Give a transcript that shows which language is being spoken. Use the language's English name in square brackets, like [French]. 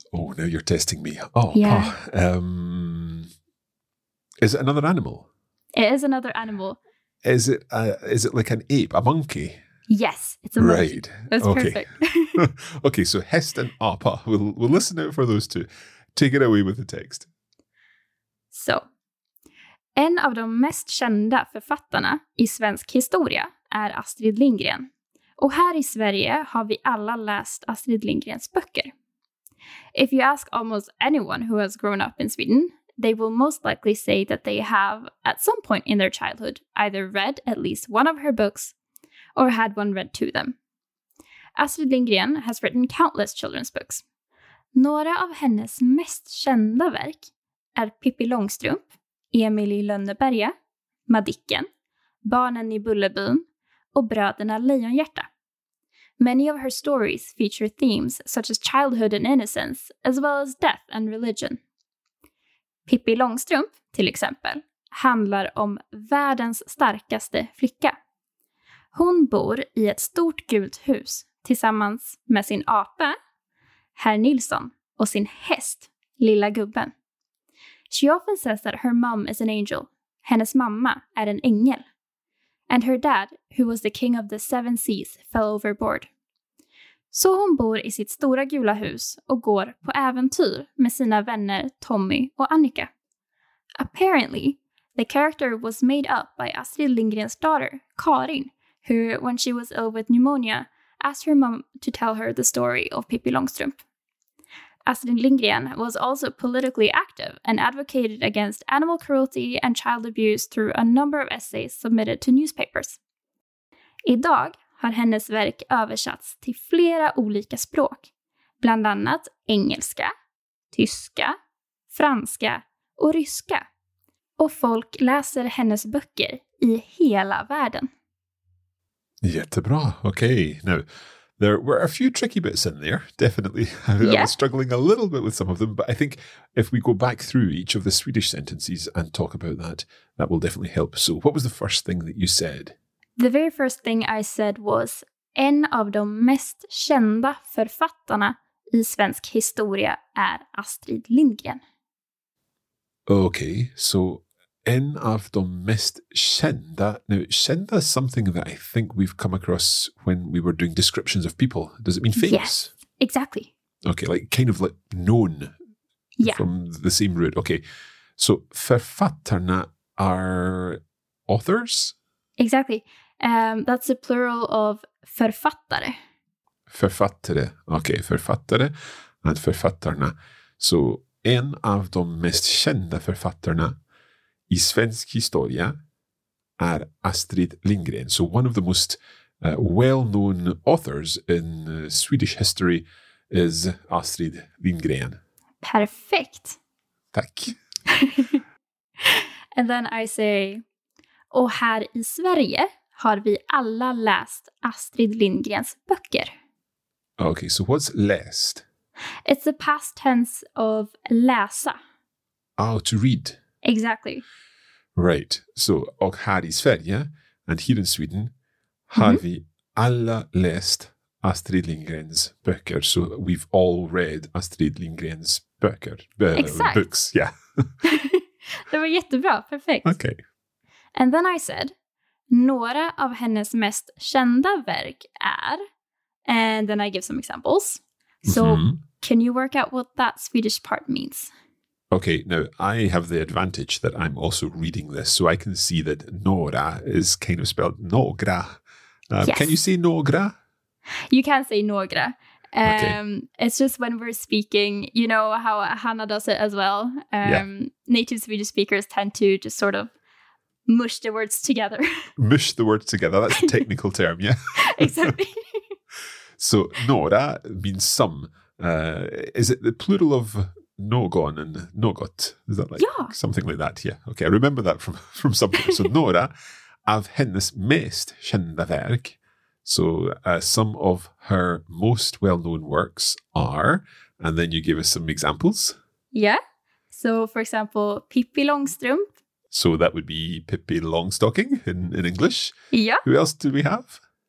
[English] Oh, now you're testing me. Apa. Is it another animal? It is another animal. Is it like an ape, a monkey? Yes, it's a monkey. Right. That's okay. Perfect. Okay, so hest and apa. We'll listen out for those two. Take it away with the text. [Swedish] Så, en av de mest kända författarna i svensk historia är Astrid Lindgren. Och här i Sverige har vi alla läst Astrid Lindgrens böcker. [English] If you ask almost anyone who has grown up in Sweden, they will most likely say that they have, at some point in their childhood, either read at least one of her books or had one read to them. Astrid Lindgren has written countless children's books. [Swedish] Några av hennes mest kända verk är Pippi Långstrump, Emil i Lönneberga, Madicken, Barnen i Bullerbyn och Bröderna Lejonhjärta. [English] Many of her stories feature themes such as childhood and innocence, as well as death and religion. [Swedish] Pippi Långstrump, till exempel, handlar om världens starkaste flicka. Hon bor i ett stort gult hus tillsammans med sin apa, Herr Nilsson, och sin häst, Lilla Gubben. [English] She often says that her mom is an angel. [Swedish] Hennes mamma är en ängel. [English] And her dad, who was the king of the seven seas, fell overboard. [Swedish] Så hon bor i sitt stora gula hus och går på äventyr med sina vänner Tommy och Annika. [English] Apparently, the character was made up by Astrid Lindgrens daughter, Karin, who, when she was ill with pneumonia, asked her mom to tell her the story of Pippi Långstrump. Astrid Lindgren was also politically active and advocated against animal cruelty and child abuse through a number of essays submitted to newspapers. [Swedish] Idag har hennes verk översatts till flera olika språk, bland annat engelska, tyska, franska och ryska. Och folk läser hennes böcker i hela världen. Jättebra. Okej. Okay. [English] Now, there were a few tricky bits in there, definitely. I was struggling a little bit with some of them, but I think if we go back through each of the Swedish sentences and talk about that, that will definitely help. So what was the first thing that you said? The very first thing I said was [Swedish] en av de mest kända författarna i svensk historia är Astrid Lindgren. [English] Okay, so [Swedish] en av de mest kända. [English] Now, kända is something that I think we've come across when we were doing descriptions of people. Does it mean famous? Yes, exactly. Okay, like kind of like known from the same root. Okay, so författarna are authors? Exactly. That's the plural of författare. [Swedish] Författare. Okay, författare and författarna. So en av de mest kända författarna i svensk historia är Astrid Lindgren. [English] So one of the most well-known authors in Swedish history is Astrid Lindgren. [Swedish] Perfekt. Tack. [English] And then I say, [Swedish] och här i Sverige har vi alla läst Astrid Lindgrens böcker. [English] Okay, so what's läst? It's the past tense of läsa. Oh, to read. Exactly. Right. [Swedish] So, och här i Sverige, [English] and here in Sweden, [Swedish] har vi alla läst Astrid Lindgrens böcker. [English] So, we've all read Astrid Lindgrens böcker. Books, yeah. [Swedish] Det var jättebra. Perfekt. [English] Okay. And then I said, [Swedish] några av hennes mest kända verk är, [English] and then I give some examples. So, can you work out what that Swedish part means? Okay, now, I have the advantage that I'm also reading this, so I can see that Nora is kind of spelled Nogra. Can you say Nogra? You can say Nogra. Okay. It's just when we're speaking, you know how Hannah does it as well. Native Swedish speakers tend to just sort of mush the words together. Mush the words together, that's a technical term, yeah? Exactly. So, Nora means some. Is it the plural of Nogon and Nogot? Is that like something like that? Yeah. Okay, I remember that from somewhere. [Swedish] So, Nora av hennes mest kända verk. [English] So, some of her most well-known works are, and then you give us some examples. Yeah. So, for example, Pippi Långstrump. So, that would be Pippi Longstocking in English. Yeah. Who else do we have?